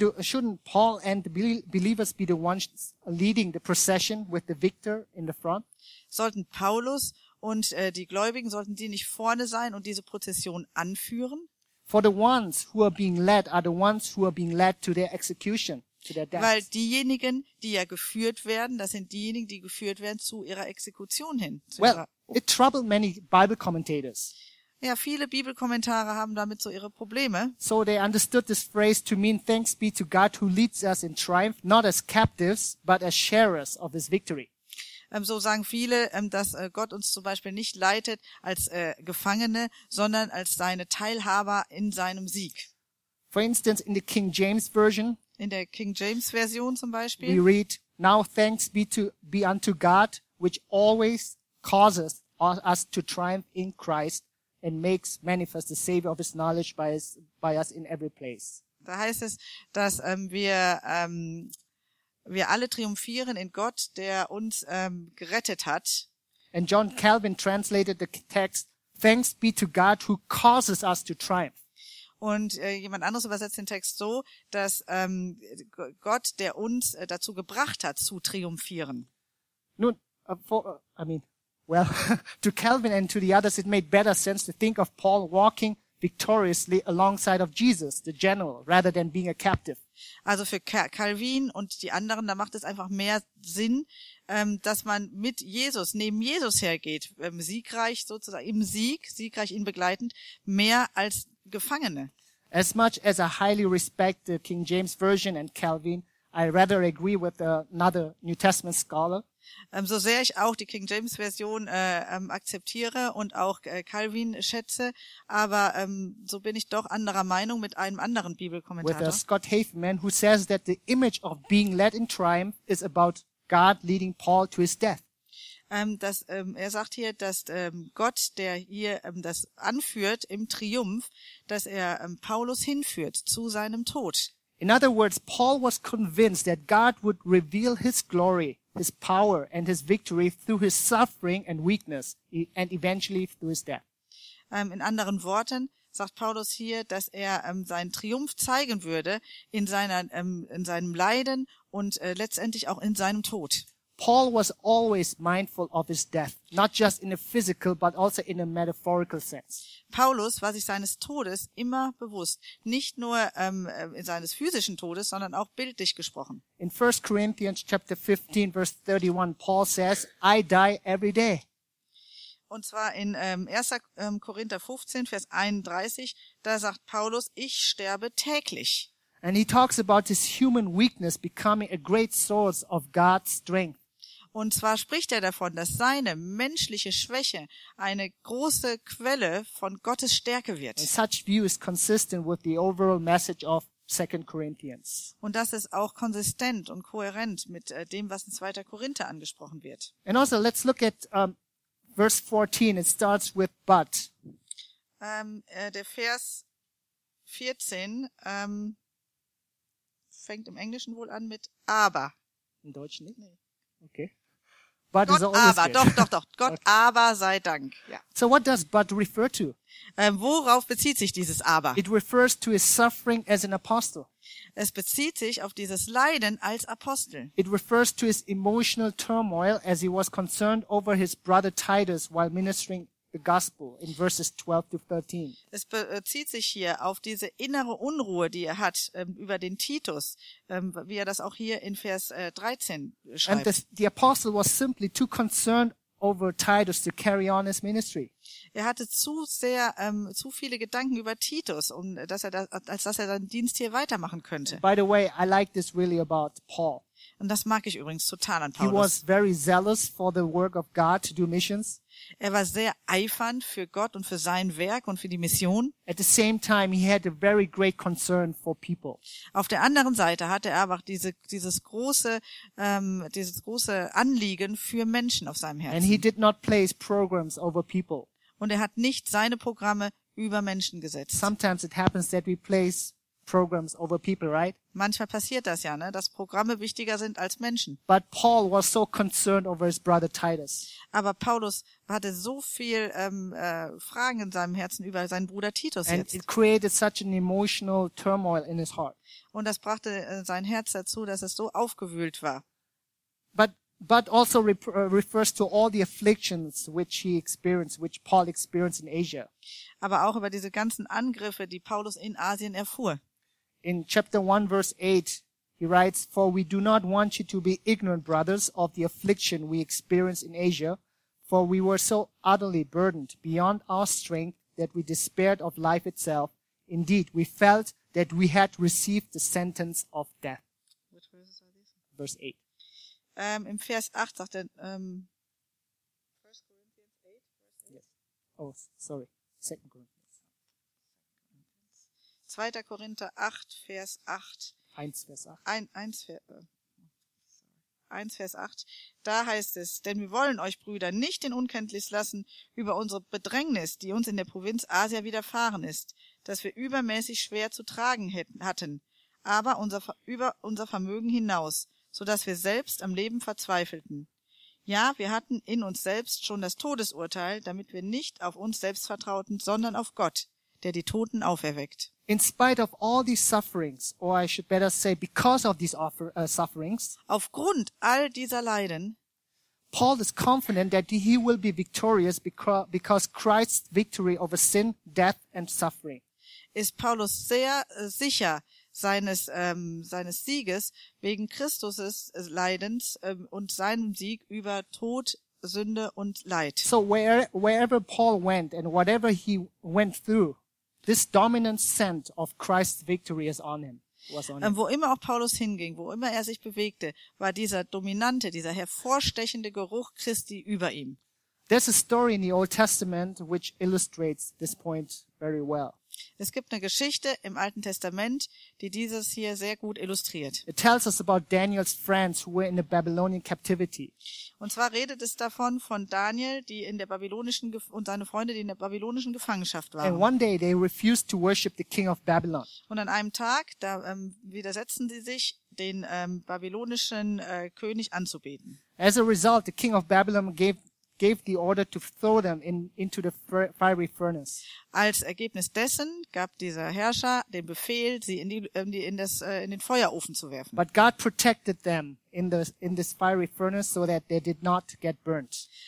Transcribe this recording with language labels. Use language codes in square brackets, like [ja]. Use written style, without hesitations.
[en] Shouldn't Paul and the believers be the ones leading the procession with the victor in the front? [de] Sollten Paulus und die Gläubigen, sollten die nicht vorne sein und diese Prozession anführen? [en] For the ones who are being led are the ones who are being led to their execution. [de] Weil diejenigen, die ja geführt werden, das sind diejenigen, die geführt werden zu ihrer Exekution hin. [en] Well, it troubled many Bible commentators. [de] Ja, viele Bibelkommentare haben damit so ihre Probleme. [en] So they understood this phrase to mean thanks be to God who leads us in triumph, not as captives, but as sharers of his victory. [de] So sagen viele, dass Gott uns zum Beispiel nicht leitet als Gefangene, sondern als seine Teilhaber in seinem Sieg. [en] For instance, in the King James Version, [de] in der King James Version zum Beispiel. [en] We read, now thanks be unto God, which always causes us to triumph in Christ and makes manifest the Savior of his knowledge by us in every place. [de] Da heißt es, dass wir alle triumphieren in Gott, der uns gerettet hat. [en] And John Calvin translated the text, thanks be to God who causes us to triumph. [de] Und jemand anderes übersetzt den Text so, dass Gott, der uns dazu gebracht hat, zu triumphieren. Nun, [en] to Calvin and to the others, it made better sense to think of Paul walking victoriously alongside of Jesus, the general, rather than being a captive. [de] Also für Calvin und die anderen, da macht es einfach mehr Sinn, dass man mit Jesus, neben Jesus hergeht, siegreich sozusagen, im Sieg, siegreich ihn begleitend, mehr als Gefangene. [en] As much as I highly respect the King James Version and Calvin, I rather agree with another New Testament scholar. [de] So sehr ich auch die King James Version akzeptiere und auch Calvin schätze, aber so bin ich doch anderer Meinung mit einem anderen Bibelkommentator. [en] With Scott Haveman, who says that the image of being led in triumph is about God leading Paul to his death. [de] Er sagt hier, dass Gott, der hier das anführt im Triumph, dass er Paulus hinführt zu seinem Tod. [en] In other words, Paul was convinced that God would reveal his glory, his power and his victory through his suffering and weakness and eventually through his death. [de] In anderen Worten sagt Paulus hier, dass er seinen Triumph zeigen würde in seinem Leiden und letztendlich auch in seinem Tod. [en] Paul was always mindful of his death, not just in a physical, but also in a metaphorical sense. [de] Paulus war sich seines Todes immer bewusst, nicht nur seines physischen Todes, sondern auch bildlich gesprochen. [en] In 1 Corinthians chapter 15, verse 31, Paul says, I die every day. [de] Und zwar in 1. Korinther 15, Vers 31, da sagt Paulus, ich sterbe täglich. [en] And he talks about his human weakness becoming a great source of God's strength. [de] Und zwar spricht er davon, dass seine menschliche Schwäche eine große Quelle von Gottes Stärke wird. [en] And such view is consistent with the overall message of 2 Corinthians. [de] Und das ist auch konsistent und kohärent mit dem, was in 2. Korinther angesprochen wird. [en] And also, let's look at verse 14. It starts with but. [de] Der Vers 14 fängt im Englischen wohl an mit aber. Im Deutschen nicht? Nee. Okay. But Gott is always aber, good. Doch. Gott okay. Aber sei Dank. Ja. [en] So what does but refer to? [de] Worauf bezieht sich dieses aber? [en] It refers to his suffering as an apostle. [de] Es bezieht sich auf dieses Leiden als Apostel. [en] It refers to his emotional turmoil as he was concerned over his brother Titus while ministering the gospel in verses 12 to 13. [de] Es bezieht sich hier auf diese innere Unruhe, die er hat über den Titus, wie er das auch hier in Vers 13 schreibt. [en] And the apostle was simply too concerned over Titus to carry on his ministry. [de] Er hatte zu sehr zu viele Gedanken über Titus, um dass er das, als dass er seinen Dienst hier weitermachen könnte. [en] By the way, I like this really about Paul. [de] Und das mag ich übrigens total an Paulus. [en] He was very zealous for the work of God to do missions. [de] Er war sehr eifernd für Gott und für sein Werk und für die Mission. [en] At the same time, he had a very great concern for people. [de] Auf der anderen Seite hatte er auch dieses große Anliegen für Menschen auf seinem Herzen. [en] And he did not place programs over people. [de] Und er hat nicht seine Programme über Menschen gesetzt. [en] Sometimes it happens that we place programs over people, right? [de] Manchmal passiert das ja, ne, dass Programme wichtiger sind als Menschen. [en] But Paul was so concerned over his brother Titus. [de] Aber Paulus hatte so viel Fragen in seinem Herzen über seinen Bruder Titus [en] and [de] jetzt. [en] It created such an emotional turmoil in his heart. [de] Und das brachte sein Herz dazu, dass es so aufgewühlt war. [en] But also refers to all the afflictions which he experienced, which Paul experienced in Asia. [de] Aber auch über diese ganzen Angriffe, die Paulus in Asien erfuhr. [en] In chapter 1 verse 8 he writes, "For we do not want you to be ignorant, brothers, of the affliction we experienced in Asia, for we were so utterly burdened beyond our strength that we despaired of life itself. Indeed, we felt that we had received the sentence of death." Which verses are these? Verse 8. [de] Im Vers 8 sagt er, [en] 1. Corinthians 8, [de] Vers 8. [en] Yes. Oh, sorry. 2. Corinthians. [de] 2. Korinther 8, Vers 8. 1, Vers 8. 1, Vers 8. Da heißt es, denn wir wollen euch, Brüder, nicht in Unkenntnis lassen über unsere Bedrängnis, die uns in der Provinz Asia widerfahren ist, dass wir übermäßig schwer zu tragen hatten, aber über unser Vermögen hinaus, so dass wir selbst am Leben verzweifelten. Ja, wir hatten in uns selbst schon das Todesurteil, damit wir nicht auf uns selbst vertrauten, sondern auf Gott, der die Toten auferweckt. [en] In spite of all these sufferings, or I should better say, because of these sufferings, [de] aufgrund all dieser Leiden, [en] Paul is confident that he will be victorious because Christ's victory over sin, death and suffering. [de] Ist Paulus sehr sicher seines seines Sieges wegen Christuses Leidens und seinem Sieg über Tod, Sünde und Leid. [en] So wherever Paul went and whatever he went through, this dominant scent of Christ's victory is on him. [de] Wo immer auch Paulus hinging, wo immer er sich bewegte, war dieser dominante, dieser hervorstechende Geruch Christi über ihm. [en] There's a story in the Old Testament which illustrates this point very well. [de] Es gibt eine Geschichte im Alten Testament, die dieses hier sehr gut illustriert. [en] It tells us about Daniel's friends who were in the Babylonian captivity. [de] Und zwar redet es davon von Daniel, die in der babylonischen und seine Freunde, die in der babylonischen Gefangenschaft waren. [en] And one day they refused to worship the king of Babylon. [de] Und an einem Tag, da widersetzen sie sich, den babylonischen König anzubeten. [en] As a result, the king of Babylon gave the order to throw them into the fiery furnace. [de] Als Ergebnis dessen gab dieser Herrscher den Befehl, sie in den Feuerofen zu werfen. [en] But God protected them in this fiery furnace so that they did not get burnt.